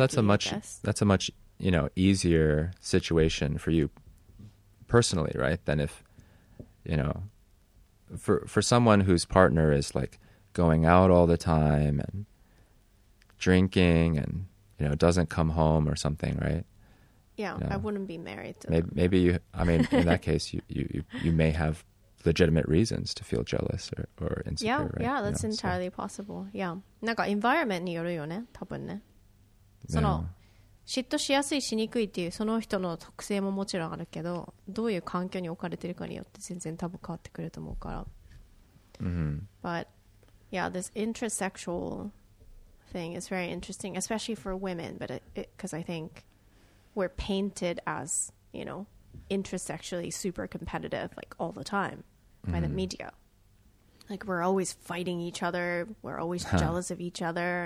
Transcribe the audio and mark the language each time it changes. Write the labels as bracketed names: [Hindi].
[English] That's a much you know, easier situation for you personally, right, than if, you know, for someone whose partner is like going out all the time and drinking and, you know, doesn't come home or something, right? Yeah, I wouldn't be married to maybe, them. Maybe you, I mean, in that case, you may have legitimate reasons to feel jealous or insecure, yeah, right? Yeah, that's entirely possible. Yeah. なんか environment によるよね、多分ね。 [Japanese] その、嫉妬しやすいしにくいっていうその人の特性ももちろんあるけど、どういう環境に置かれてるかによって全然多分変わってくると思うから。 Mm-hmm. [English] But, yeah, this intersexual thing is very interesting, especially for women, but because I think we're painted as, you know, intersexually super competitive, like all the time by the media. Like we're always fighting each other. We're always jealous of each other.